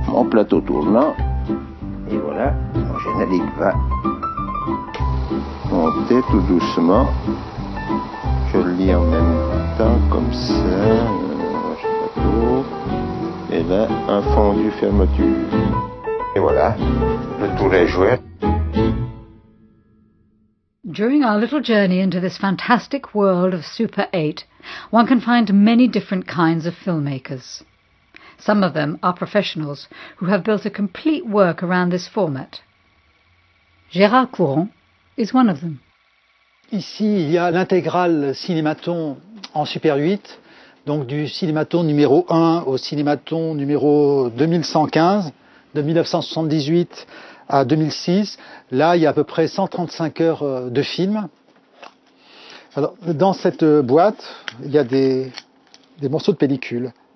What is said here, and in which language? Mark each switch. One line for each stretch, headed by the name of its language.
French: Plateau tournant, et voilà, mon générique va monter tout doucement. Je le lis en même temps, comme ça, et là, un fondu fermeture. Et voilà, le tour est joué.
English: During our little journey into this fantastic world of Super 8, one can find many different kinds of filmmakers. Some of them are professionals who have built a complete work around this format. Gérard Courant is one of them.
French: Ici, il y a l'intégrale Cinémathon en Super 8, donc du Cinémathon numéro 1 au Cinémathon numéro 2115, de 1978 à 2006. Là, il y a à peu près 135 heures de films. Alors, dans cette boîte, il y a des morceaux de pellicule.